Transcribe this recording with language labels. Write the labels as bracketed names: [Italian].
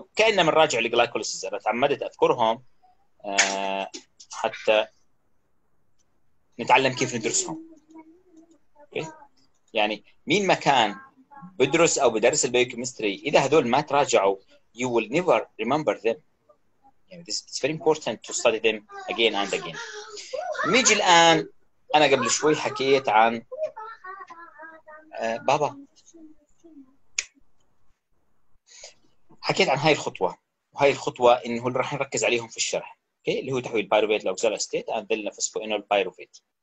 [Arabic] كأننا بنراجع الجلايكوليسيس، انا تعمدت اذكرهم حتى نتعلم كيف ندرسهم. اوكي يعني مين ما كان بدرس او بدرس البيوكيمستري، اذا هذول ما تراجعوا [English] you will never remember them. Yeah, this it's very important to study them again and again. [Arabic] نيجي الآن، أنا قبل شوي حكيت عن بابا، حكيت عن هاي الخطوة، وهاي الخطوة إنه راح نركز عليهم في الشرح. Okay, اللي هو تحويل بايروفيت لأوكسالوستيت and then فوسفوينول بايروفيت.